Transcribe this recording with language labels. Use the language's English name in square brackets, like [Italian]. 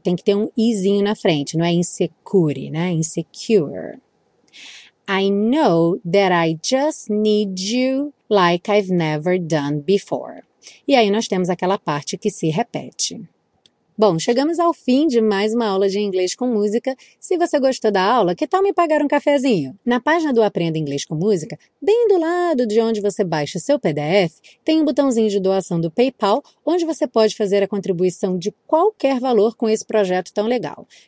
[Portuguese] Tem que ter um Izinho na frente. Não é insecure, né? [English] Insecure. I know that I just need you like I've never done before. [Portuguese] E aí nós temos aquela parte que se repete. Bom, chegamos ao fim de mais uma aula de inglês com música. Se você gostou da aula, que tal me pagar um cafezinho? Na página do Aprenda Inglês com Música, bem do lado de onde você baixa seu PDF, tem um botãozinho de doação do PayPal, onde você pode fazer a contribuição de qualquer valor com esse projeto tão legal.